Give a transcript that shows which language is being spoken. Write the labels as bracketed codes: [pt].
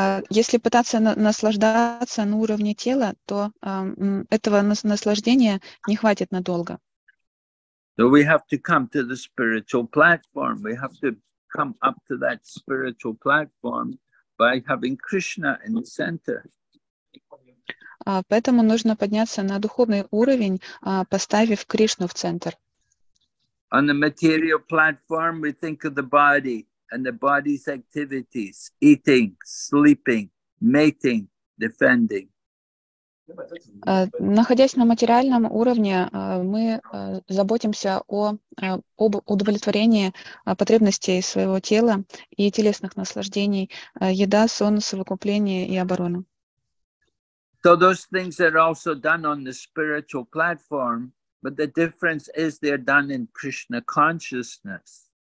[ru] Если пытаться наслаждаться на уровне тела, то этого наслаждения не хватит надолго. [en] So we have to come to the spiritual platform. We have to come up to that spiritual platform by having Krishna in the center. [ru] Поэтому нужно подняться на духовный уровень, поставив Кришну в центр. [en] On the material platform, we think of the body and the body's activities: eating, sleeping, mating, defending. [ru] Находясь на материальном уровне, мы заботимся об удовлетворении потребностей своего тела и телесных наслаждений: еда, сон, совокупление и оборона. [en] So those things are also done on the spiritual platform, but the difference is they're done in Krishna consciousness.